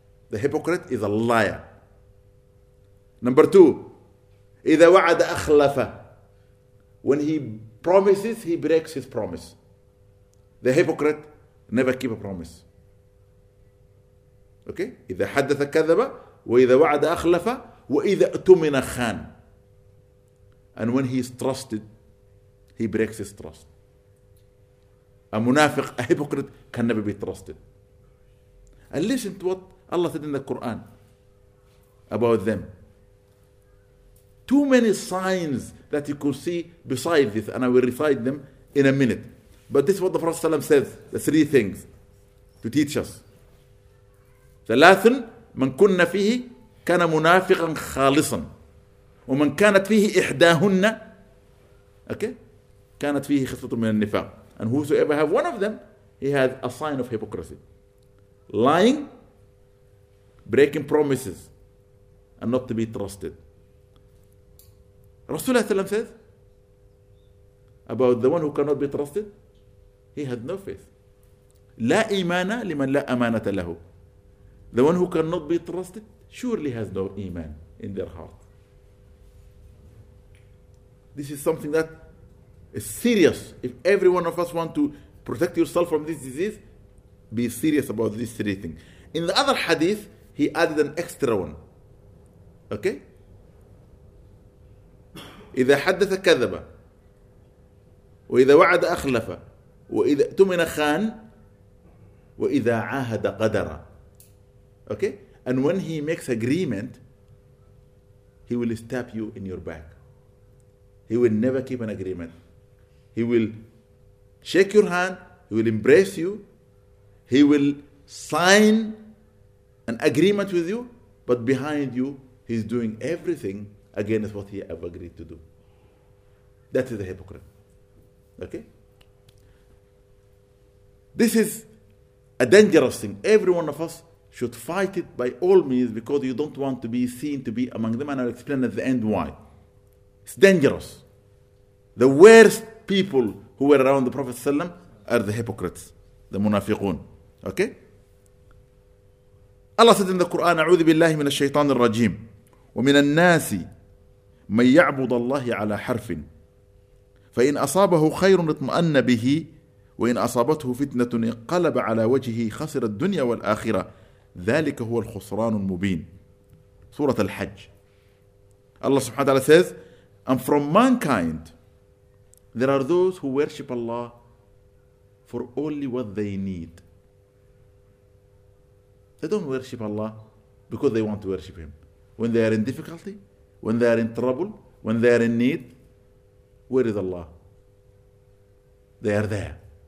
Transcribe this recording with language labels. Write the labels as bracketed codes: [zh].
[en] The hypocrite is a liar. Number two, [ar] إذا وعد أخلف, [en] when he promises, he breaks his promise. The hypocrite never keep a promise. Okay? [ar] إذا حدث كذب وإذا وعد أخلف وإذا أتمن خان. [en] And when he is trusted, he breaks his trust. A munafiq, a hypocrite, can never be trusted. And listen to what Allah said in the Quran about them. Too many signs that you could see besides this, and I will recite them in a minute. But this is what the Prophet ﷺ says, the three things to teach us. [ar] ثلاث من كنا فيه كان منافقا خالصا ومن كانت فيه إحداهن [en] okay [ar] كانت فيه خصلة من النفاق. [en] And whosoever have one of them, he has a sign of hypocrisy. Lying, breaking promises, and not to be trusted. Rasulullah sallam says about the one who cannot be trusted, he has no faith. [ar] لا إيمان لمن لا أمانة له. [en] The one who cannot be trusted surely has no iman in their heart. This is something that is serious. If every one of us want to protect yourself from this disease, be serious about these three things. In the other hadith, he added an extra one. Okay? [ar] إذا حدث كذب وإذا وعد أخلف وإذا تمن خان وإذا عاهد قدر. [en] Okay? And when he makes agreement, he will stab you in your back. He will never keep an agreement. He will shake your hand, he will embrace you, he will sign an agreement with you, but behind you, he's doing everything against what he have agreed to do. That is a hypocrite. Okay? This is a dangerous thing. Every one of us should fight it by all means, because you don't want to be seen to be among them, and I'll explain at the end why. It's dangerous. The worst people who were around the Prophet ﷺ are the hypocrites, the munafiqun. Okay? Allah said in the Quran, [ar] أعوذ بالله من الشيطان الرجيم ومن الناس من يعبد الله على حرف فإن أصابه خير اطمأن به وإن أصابته فتنة انقلب على وجهه خسر الدنيا والآخرة ذلك هو الخسران المبين. سورة الحج. [en] Allah subhanahu wa ta'ala says, and from mankind there are those who worship Allah for only what they need. They don't worship Allah because they want to worship Him. When they are in difficulty, when they are in trouble, when they are in need, where is Allah? They are there.